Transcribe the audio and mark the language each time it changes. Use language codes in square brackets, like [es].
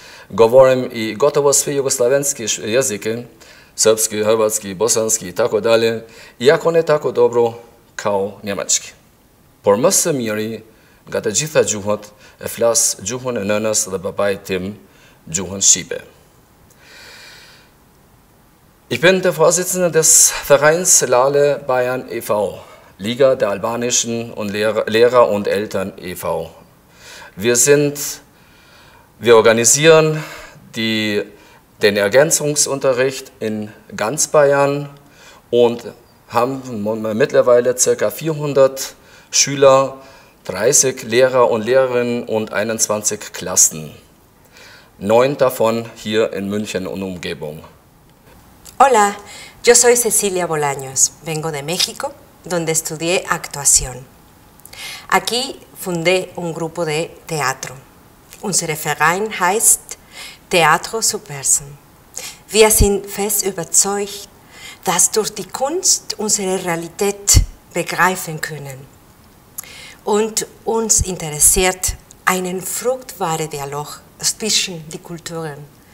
[sr] Говорим и готово сви југославенски јазики, srpski, hrvatski, bosanski i tako dalje, iako ne tako dobro kao njemački. [sq] Por më së miri, nga të gjitha gjuhët, e flas gjuhën e nënës dhe babaj tim, gjuhën Shqipe. [de] Ich bin der Vorsitzende des Vereins Lale Bayern e.V., Liga der Albanischen und Lehrer und Eltern e.V. Wir organisieren den Ergänzungsunterricht in ganz Bayern und haben mittlerweile ca. 400 Schüler, 30 Lehrer und Lehrerinnen und 21 Klassen. 9 davon hier in München und Umgebung. [es] Hola, yo soy Cecilia Bolaños. Vengo de México, donde estudié actuación. Aquí fundé un grupo de teatro. [de] Unser Verein heißt Teatro Supersen. Wir sind fest überzeugt, dass durch die Kunst unsere Realität begreifen können. Und uns interessiert einen fruchtbaren Dialog zwischen den Kulturen.